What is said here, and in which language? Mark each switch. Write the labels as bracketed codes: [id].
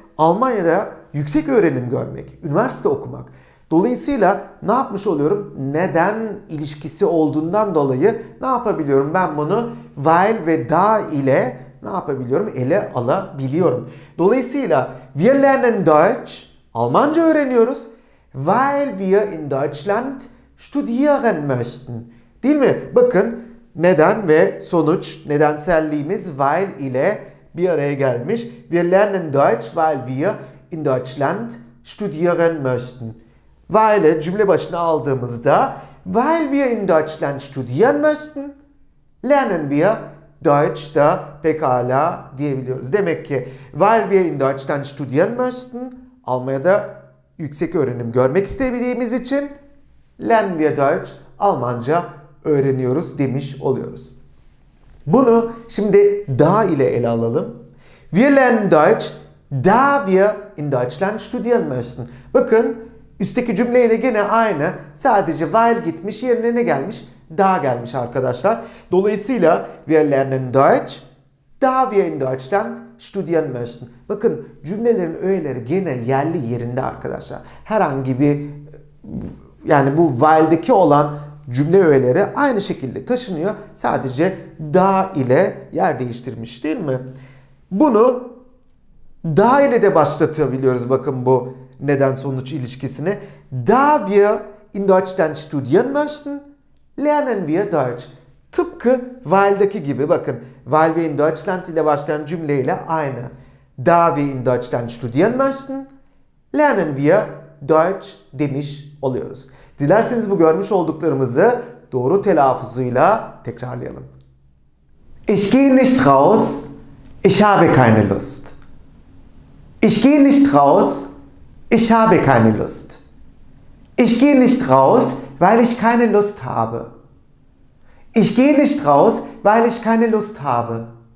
[tr] Almanya'da yüksek öğrenim görmek, üniversite okumak. Dolayısıyla ne yapmış oluyorum? Neden ilişkisi olduğundan dolayı ne yapabiliyorum? Ben bunu weil ve da ile ne yapabiliyorum? Ele alabiliyorum. Dolayısıyla [de] wir lernen Deutsch, [tr] Almanca öğreniyoruz. [de] Weil wir in Deutschland studieren möchten. [tr] Değil mi? Bakın neden ve sonuç, nedenselliğimiz weil ile bir araya gelmiş. [de] Wir lernen Deutsch, weil wir in Deutschland studieren möchten. [tr] Weil'i cümle başına aldığımızda [de] weil wir in Deutschland studieren möchten, lernen wir Deutsch'da [tr] pekala diyebiliyoruz. Demek ki [de] weil wir in Deutschland studieren möchten, [tr] Almanya'da yüksek öğrenim görmek istediğimiz için [de] lernen wir Deutsch, [tr] Almanca öğreniyoruz demiş oluyoruz. Bunu şimdi da ile ele alalım. [de] Wir lernen Deutsch, da wir in Deutschland studieren möchten. [tr] Bakın üstteki cümleyle gene aynı. Sadece weil gitmiş, yerine ne gelmiş? Da gelmiş arkadaşlar. Dolayısıyla [de] wir lernen Deutsch, da wir in Deutschland studieren möchten. [tr] Bakın cümlelerin öğeleri gene yerli yerinde arkadaşlar. Herhangi bir, yani bu weil'deki olan cümle öğeleri aynı şekilde taşınıyor. Sadece da ile yer değiştirmiş, değil mi? Bunu da ile de başlatabiliyoruz bakın bu neden sonuç ilişkisini. [de] Da wir in Deutschland studieren möchten, lernen wir Deutsch. [tr] Tıpkı weil'deki gibi bakın. [de] Weil wir in Deutschland [tr] ile başlayan cümleyle aynı. [de] Da wir in Deutschland studieren möchten, lernen wir Deutsch [tr] demiş oluyoruz. Dilerseniz bu görmüş olduklarımızı doğru telaffuzuyla tekrarlayalım. [de] Ich gehe nicht raus, ich habe keine Lust. Ich gehe nicht raus, ich habe keine Lust. Ich gehe nicht raus, weil ich keine Lust habe. Ich gehe nicht raus, weil ich keine Lust habe.